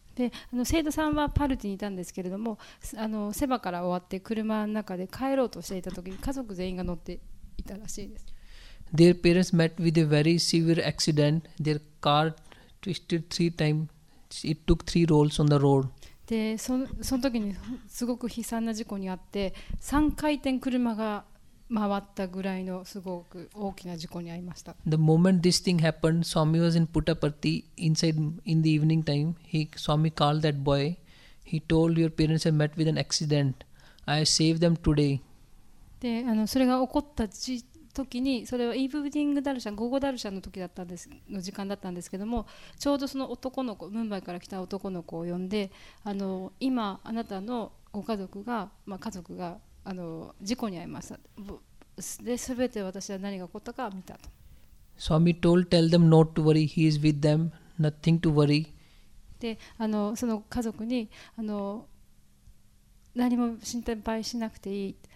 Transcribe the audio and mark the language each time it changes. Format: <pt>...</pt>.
<ja>で、生徒さんはパルティにいたんですけれども、セバから終わって車の中で帰ろうとしていた時に家族全員が乗っていたらしいです。</ja> <en>Their parents met with a very severe accident. Their car twisted three times. It took three rolls on the road.</en> <ja>で、その時にすごく悲惨な事故にあって、3回転車が回ったぐらいのすごく大きな事故に遭いました。</ja> <en>The moment this thing happened, Swami was in Puttaparthi inside in the evening time. He, Swami called that boy. He told your parents have met with an accident. I saved them today.</en> <ja>で、それが起こった時に、それはイーブニングダルシャン、午後ダルシャンの時だったんですの時間だったんですけども、ちょうどその男の子、ムンバイから来た男の子を呼んで、今あなたのご家族が、まあ、家族が事故に遭いました。で、すべて私は何が起こったか見たと。</ja> <en>Swami told tell them not to worry. He is with them. Nothing to worry.</en> <ja>で、その家族に何も心配しなくていい。</ja>